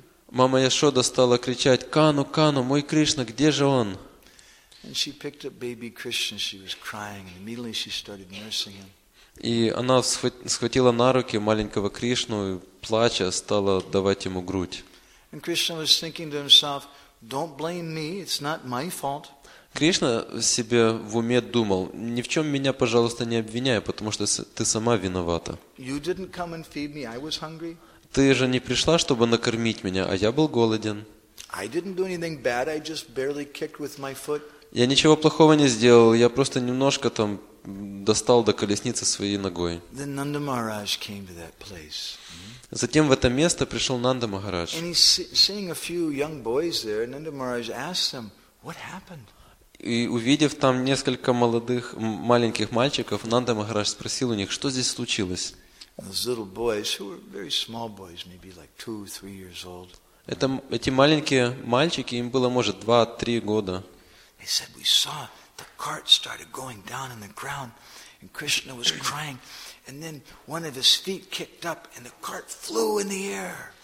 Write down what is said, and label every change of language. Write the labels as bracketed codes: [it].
[ru] Мама Яшода стала кричать: «Кану, Кану, мой Кришна, где же он?» И она схватила на руки маленького Кришну и, плача, стала давать ему грудь. И [en] Кришна was thinking to himself, don't blame me, it's not my fault. [ru] Кришна себе в уме думал: ни в чем меня, пожалуйста, не обвиняй, потому что ты сама виновата. [en] You didn't come and feed me, I was hungry. [ru] Ты же не пришла, чтобы накормить меня, а я был голоден. [en] I didn't do anything bad, I just barely kicked with my foot. [ru] Я ничего плохого не сделал, я просто немножко там достал до колесницы своей ногой. [en] Then Nanda Maharaj came to that place. [ru] Затем в это место пришел Нанда Махарадж. [en] And he's seeing a few young boys there, Nanda Maharaj asked them, what happened? [ru] И увидев там несколько молодых, маленьких мальчиков, Нанда Махарадж спросил у них, что здесь случилось? [en] Those little boys, who were very small boys, maybe like 2-3 years old. [ru] Эти маленькие мальчики, им было, может, 2-3 года. [en] They said, we saw the cart started going down in the ground, and Krishna was crying. And then one of his feet kicked up, and the cart flew in the air.